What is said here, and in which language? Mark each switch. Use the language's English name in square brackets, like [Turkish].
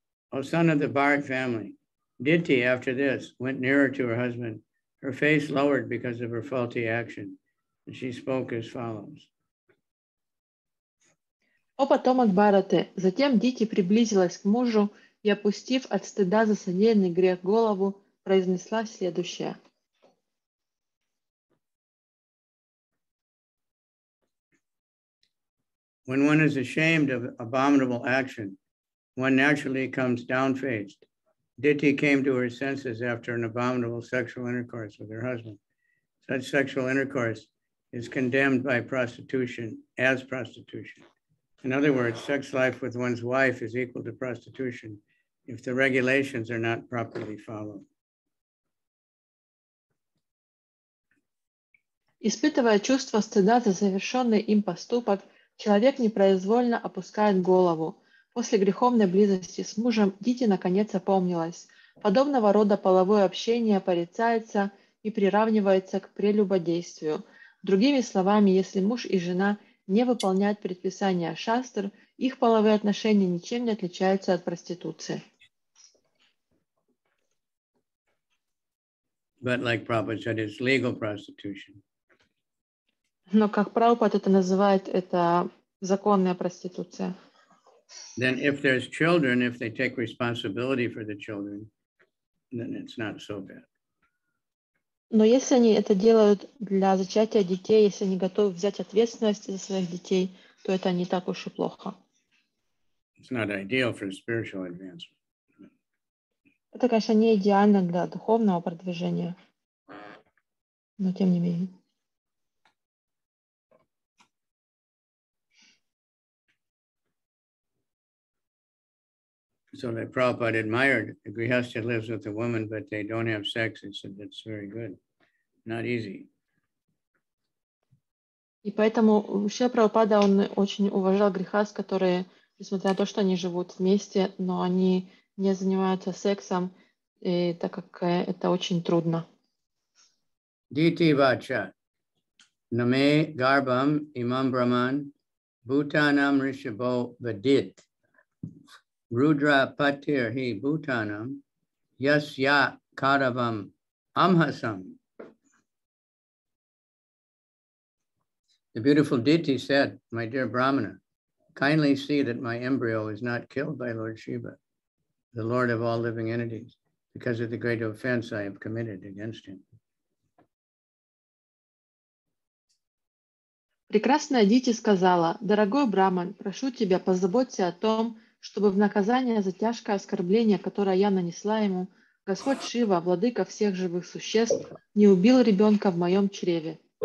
[English] O son of the Bharat family, Ditti after this went nearer to her husband. Her face lowered because of her faulty action, and she spoke as follows. [Russian] О, потомок Бхараты! Затем Дити приблизилась к мужу и, опустив от стыда за содеянный грех голову, произнесла следующее. [English] When one is ashamed of abominable action, one naturally comes downfaced. Dity came to her senses after an abominable sexual intercourse with her husband. Such sexual intercourse is condemned by prostitution as prostitution. In other words, sex life with one's wife is equal to prostitution if the regulations are not properly followed. [Russian] Испытывая чувство стыда за совершенный им поступок, человек непроизвольно опускает голову. После греховной близости с мужем Дити наконец опомнилась. Подобного рода половое общение порицается и приравнивается к прелюбодействию. Другими словами, если муж и жена не выполняют предписания шастр, их половые отношения ничем не отличаются от проституции. [English] But like Prabhupada said, it's legal prostitution. [Russian] Но как Прабхупад это называет, это законная проституция. [English] Then if there's children, if they take responsibility for the children, then it's not so bad. [Russian] Но если они это делают для зачатия детей, если они готовы взять ответственность за своих детей, то это не так уж и плохо. [English] It's not ideal for spiritual advancement. [Russian] Это, конечно, не идеально для духовного продвижения, но тем не менее. [English] So that Prabhupada admired, the grihastha lives with a woman, but they don't have sex. He said, that's very good. Not easy. [Russian] И поэтому вообще Прабхупада, он очень уважал грихаст, которые, несмотря на то, что они живут вместе, но они не занимаются сексом, и, так как это очень трудно. [Sanskrit] Дити вача. Наме гарбам имам браман бутанам ришабо вадит. Рудра патир хи бутанам ясья каравам амхасам. [English] The beautiful Diti said, my dear Brahmana, kindly see that my embryo is not killed by Lord Shiva, the Lord of all living entities, because of the great offense I have committed against him. [Russian] Прекрасная Дити сказала, дорогой Браман, прошу тебя позаботься о том, чтобы в наказание за тяжкое оскорбление, которое я нанесла ему, Господь Шива, владыка всех живых существ, не убил ребенка в моем чреве.